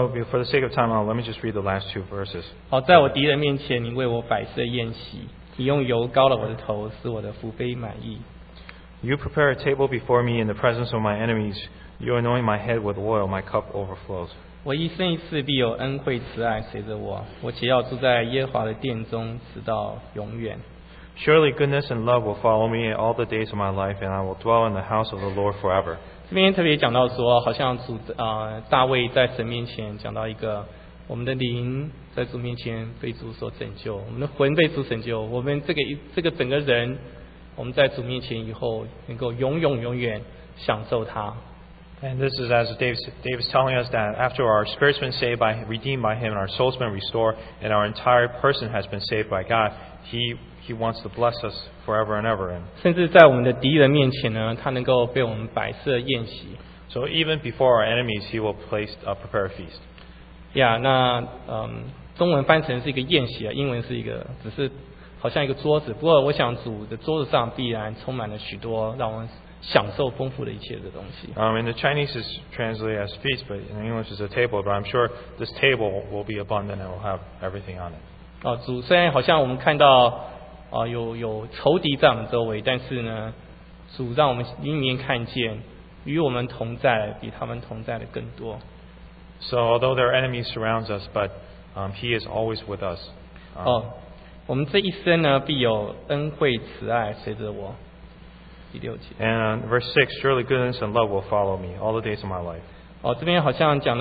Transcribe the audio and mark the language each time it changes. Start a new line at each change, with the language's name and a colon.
English: So for the sake of time, let me just read the last two verses.
Chinese: 好，在我敌人面前，你为我摆设宴席，你用油膏了我的头，使我的福杯满溢。
English: You prepare a table before me in the presence of my enemies. You anoint my head with oil. My cup overflows.
Chinese: 我一生一世必有恩惠慈爱随着我，我且要住在耶和华的殿中，直到永远。
English: Surely goodness and love will follow me all the days of my life, and I will dwell in the house of the Lord forever.
Chinese: 这边特别讲到说，好像主大卫在神面前讲到一个，我们的灵在主面前被主所拯救，我们的魂被主拯救，我们这个整个人，我们在主面前以后能够永永永远享受他。
English: And this is as Dave's telling us that after our spirit's been saved by redeemed by him and our soul's been restored and our entire person has been saved by God, He wants to bless us forever and ever.
Chinese: 甚至在我们的敌人面前呢，他能够被我们摆设宴席。
English: So even before our enemies, he will place a prepare a feast. Yeah,
Chinese: 那, 中文翻成是一个宴席啊，英文是一个，只是好像一个桌子。不过我想主的桌子上必然充满了许多让我们享受丰富的一切的东西。
English: In the Chinese is translated as feast, but in English is a table. But I'm sure this table will be abundant and will have everything on it.
Chinese: 主虽然好像我们看到有仇敌在我们周围，但是呢，主让我们明明看见。与我们同在，比他们同在的更多。
English: So although their enemy surrounds us, but he is always with us.
Chinese: 我们这一生呢，必有恩惠慈爱随着我。第六节。
English: And verse 6, surely goodness and love will follow me all the days of my life.